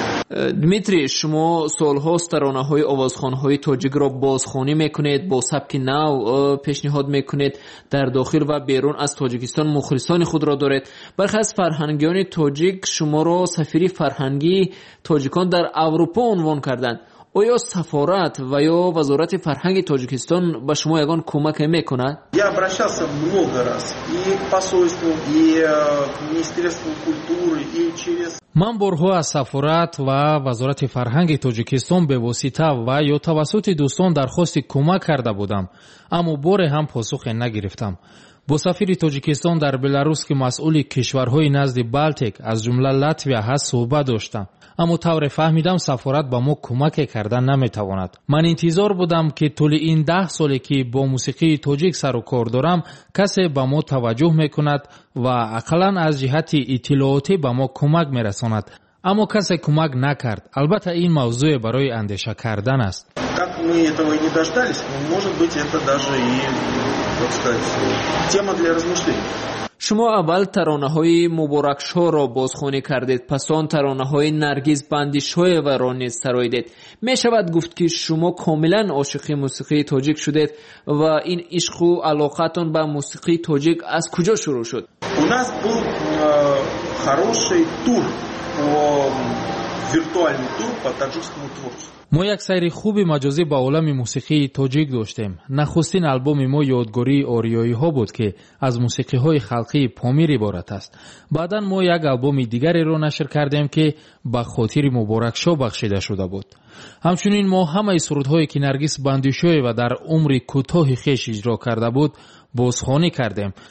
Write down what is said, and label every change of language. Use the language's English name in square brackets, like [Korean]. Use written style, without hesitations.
[Tajik] دمیتری، شما سال هاست ترانه های آوازخوان های تاجیک را بازخوانی میکنید، با سبک نو پیشنهاد میکنید، در داخل و بیرون از تاجیکستان مخلصان خود را دارید. برخی از فرهنگیان تاجیک شما را سفیر فرهنگی تاجیکان در اروپا عنوان کردند. آیا سفارت و یا وزارت فرهنگ تاجیکستان به شما یگان کمک میکنه؟ [Russian] یا обращался много раз и к посольству, и к министерству культуры, и через [Tajik] من بارها از سفارت و وزارت فرهنگ تاجیکستان به واسطه و یا توسط دوستان درخواست کمک کرده بودم، اما بار هم پاسخی نگرفتم. با سفیر تاجیکستان در بلاروس که مسئول کشورهای نزد بالتیک از جمله لاتویا هست صحبت داشتم، اما طور فهمیدم سفارت با ما کمک کردن نمیتواند. من انتظار بودم که طول این 10 سالی که با موسیقی تاجیک سر و کار دارم کسی با ما توجه میکند و اقلا از جهت اطلاعاتی با ما کمک میرساند، اما کسی کمک نکرد. البته این موضوع برای اندیشه کردن است. [Russian] Как мы этого и не дождались, но, может быть, это даже и, так сказать, тема для размышлений. [Tajik] شما اول ترانه های مبارک شاه را بازخوانی کردید، پس آن ترانه های نرگس بندی شاه و را نیز سرایدید. می شود گفت که شما کاملا عاشق موسیقی تاجیک شدید و این عشق و علاقتون به موسیقی تاجیک از کجا شروع شد؟ [Russian] У нас был хороший тур, виртуальный тур по таджикскому творчеству. [Tajik] ما یک سیر خوب مجازی به عالم موسیقی تاجیک داشتیم. نخستین آلبوم ما یادگاری آریایی ها بود که از موسیقی های خلقی پامیر عبارت است. بعدن ما یک آلبوم دیگری را نشر کردیم که به خاطر مبارک شاه بخشیده شده بود. همچنین ما همه سرودهایی که نرگس بندیشوی و در عمر کوتاه خیش اجرا کرده بود بازخوانی کردیم.